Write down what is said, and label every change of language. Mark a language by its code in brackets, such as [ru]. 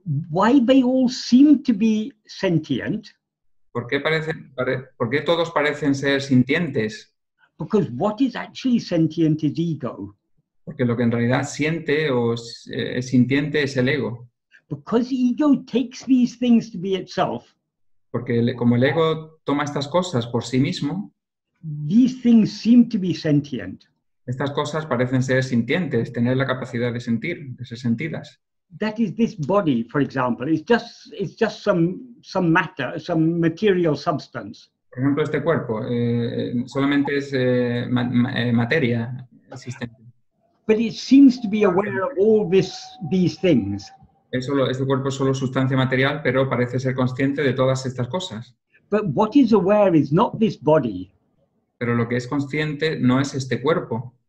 [en] Why they all seem to be sentient? [es] ¿Por qué todos parecen ser sintientes? [en] Because what is actually sentient is ego. [es] Porque lo que en realidad siente o es sintiente es el ego. [en] Because ego takes these things to be itself. [es] Porque como el ego toma estas cosas por sí mismo. [en] These things seem to be sentient. [es] Estas cosas parecen ser sintientes, tener la capacidad de sentir, de ser sentidas. [en] That is this body, for example. It's just some matter, some material substance. [es] Por ejemplo, este cuerpo solamente es materia existente. [en] But it seems to be aware of all these things. [es] Este cuerpo es solo sustancia material, pero parece ser consciente de todas estas cosas. [en] But what is aware is not this body. [es] Pero lo que es consciente no es este cuerpo.